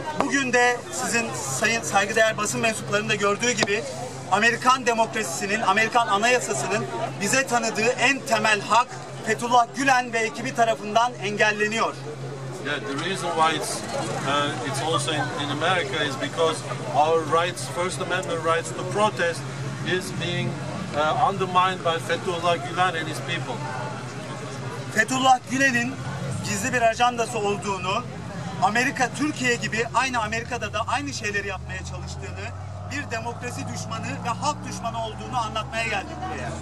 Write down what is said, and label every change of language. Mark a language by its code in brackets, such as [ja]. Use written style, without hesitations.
[tr] Bugün de sizin sayın saygıdeğer basın mensuplarının da gördüğü gibi Amerikan demokrasisinin, Amerikan anayasasının bize tanıdığı en temel hak Fethullah Gülen ve ekibi tarafından engelleniyor. [en] Yeah, the reason why it's also in America is because our rights, First Amendment rights to protest is being undermined by Fethullah Gülen and his people. [tr] Fethullah Gülen'in gizli bir ajandası olduğunu, Amerika Türkiye gibi aynı Amerika'da da aynı şeyleri yapmaya çalıştığını, bir demokrasi düşmanı ve halk düşmanı olduğunu anlatmaya geldik buraya.